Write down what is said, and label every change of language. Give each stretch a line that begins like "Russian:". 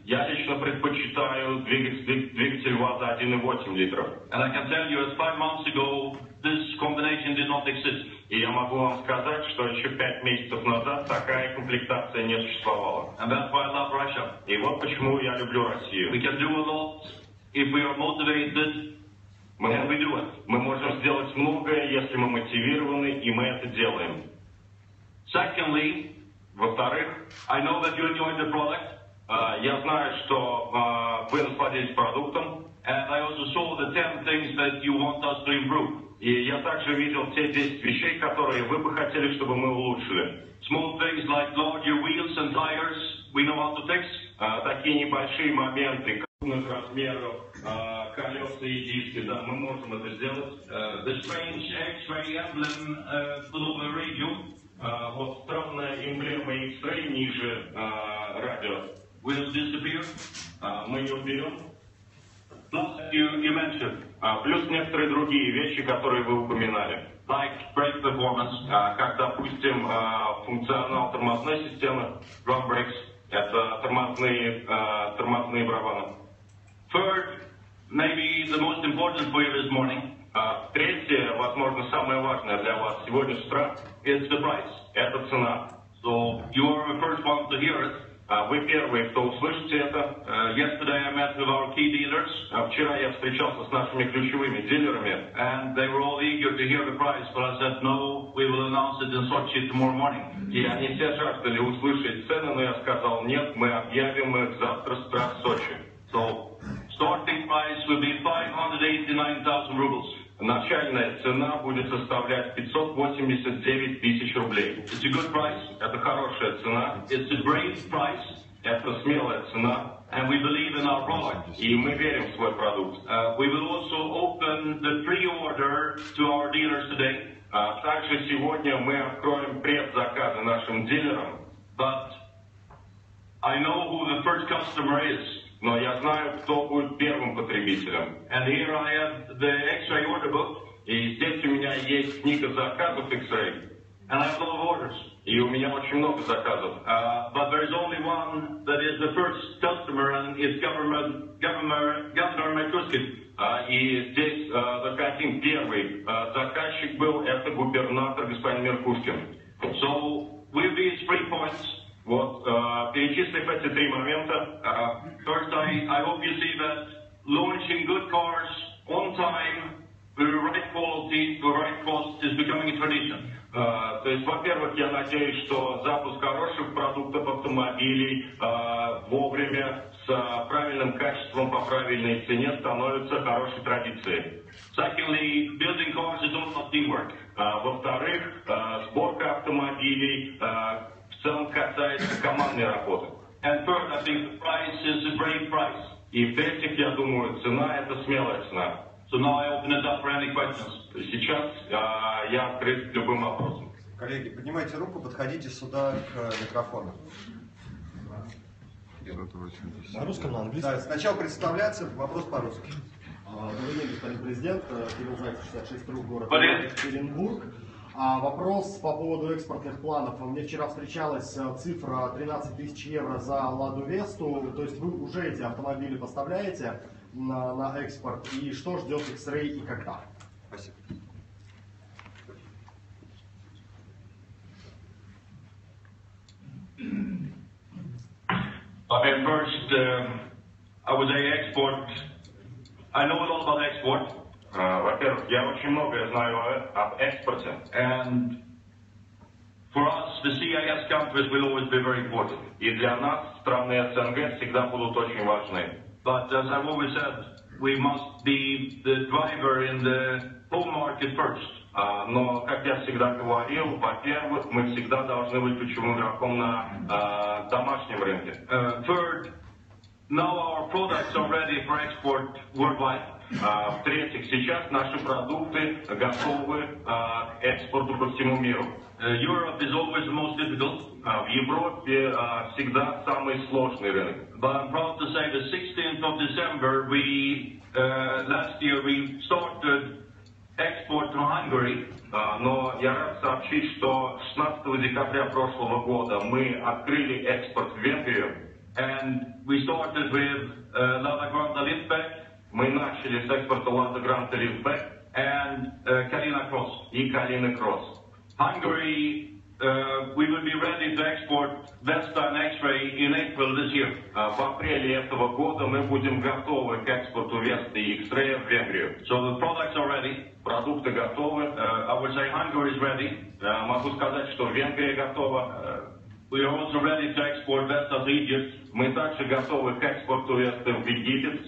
Russian: Я лично предпочитаю двигатель ВАЗа 1.8 литра.
English: And I can tell you, 5 months ago, this combination did not exist.
Russian: И я могу вам сказать, что еще 5 месяцев назад такая комплектация не существовала.
English: And that's why I love Russia.
Russian: И вот почему я люблю Россию.
English: We can do a lot if we are motivated.
Russian: Мы можем сделать многое, если мы мотивированы, и мы это делаем.
English: Secondly.
Russian: Во-вторых,
English: I know that you enjoy the product.
Russian: Я знаю, что вы насладились продуктом.
English: And I also saw the 10 things that you want us to improve.
Russian: И я также видел те 10 вещей, которые вы бы хотели, чтобы мы улучшили.
English: Small things like larger wheels and tires, we know how to fix.
Russian: Такие небольшие моменты, крупных размеров, колеса и диски, да, мы можем это сделать.
English: The strange X-ray emblem below the radio.
Russian: Вот странная эмблема X-Ray ниже радио.
English: Will disappear.
Russian: Мы ее уберем.
English: Plus, you mentioned.
Russian: Плюс некоторые другие вещи, которые вы упоминали.
English: Like brake performance.
Russian: Как, допустим, функционал тормозной системы.
English: Drum brakes.
Russian: Это тормозные барабаны.
English: Third, maybe the most important for you this morning.
Russian: Третье, возможно, самое важное для вас сегодня с утра,
English: is the price.
Russian: Это цена.
English: So you are the first one to hear it.
Russian: Вы первые, кто услышите это.
English: Yesterday I met with our key dealers.
Russian: Вчера я встречался с нашими ключевыми дилерами.
English: And they were all eager to hear the price, but I said, no, we will announce it in Sochi tomorrow morning.
Russian: И они все жаждали услышать цены, но я сказал, нет, мы объявим их завтра с утра в Сочи.
English: So, starting price will be 589,000 rubles.
Russian: Начальная цена будет составлять 589 тысяч рублей.
English: It's a good price.
Russian: Это хорошая цена.
English: It's a brave price.
Russian: Это смелая цена.
English: And we believe in our product.
Russian: И мы верим в свой продукт.
English: We will also open the pre-order to our dealers today.
Russian: Также сегодня мы откроем предзаказы нашим дилерам.
English: But I know who the first customer is.
Russian: Но я знаю, кто будет первым потребителем.
English: And here I have the X-ray order book.
Russian: И здесь у меня есть книга заказов X-ray.
English: And I have a lot of orders.
Russian: И у меня очень много заказов.
English: But there is only one that is the first customer, and it's Governor Matuskin.
Russian: И здесь захотим первый. Заказчик был это губернатор господин Меркушкин.
English: So with these three points.
Russian: Вот, перечислив эти три момента.
English: First, I hope you see that launching good cars on time with the right quality, the right cost is becoming a tradition.
Russian: То есть, во-первых, я надеюсь, что запуск хороших продуктов автомобилей вовремя с правильным качеством по правильной цене становится хорошей традицией.
English: Secondly, building cars is also teamwork.
Russian: Во-вторых, сборка автомобилей в целом касается командной работы.
English: And third, I think the price is a great price.
Russian: И в-третьих, я думаю, цена – это смелая цена.
English: So now I open it up for any questions.
Russian: Сейчас я открыт к любым вопросам. Коллеги, поднимайте руку, подходите сюда к микрофону. На русском, на английском? Да, сначала представляться, вопрос по-русски. Добрый день, господин президент. Кирилл Зайцев, 66-й город Екатеринбург. Вопрос по поводу экспортных планов. Мне вчера встречалась цифра 13 тысяч евро за «Ладу Весту». То есть вы уже эти автомобили поставляете на экспорт? И что ждет X-Ray и когда? Спасибо.
English: I mean, first, I would say export. I know a lot about export.
Russian: Во-первых, я очень много знаю об экспорте.
English: And for us, the CIS countries will always be very important.
Russian: И для нас страны СНГ всегда будут очень важны.
English: But as I've always said, we must be the driver in the home market first.
Russian: Но, как я всегда говорил, во-первых, мы всегда должны быть ключевым игроком на домашнем рынке.
English: Third, now our products are ready for export worldwide.
Russian: В-третьих, сейчас наши продукты готовы к экспорту по всему миру.
English: Europe is always the most difficult.
Russian: В Европе всегда самый сложный рынок.
English: But I'm proud to say the 16th of December, last year we started export to Hungary.
Russian: Но я рад сообщить, что 16 декабря прошлого года мы открыли экспорт в Венгрию.
English: And we started with Lada Granta Liftback.
Russian: Мы начали с экспорта Lada Granta Liftback.
English: And Kalina Cross.
Russian: И Kalina Cross.
English: Hungary, we will be ready to export Vesta and X-Ray in April this year.
Russian: В апреле этого года мы будем готовы к экспорту Vesta и X-Ray в Венгрию.
English: So the products are ready.
Russian: Продукты готовы.
English: I would say Hungary is ready.
Russian: Могу сказать, что Венгрия готова.
English: We are also ready to export Vesta to Egypt.
Russian: Мы также готовы к экспорту Vesta в Египет.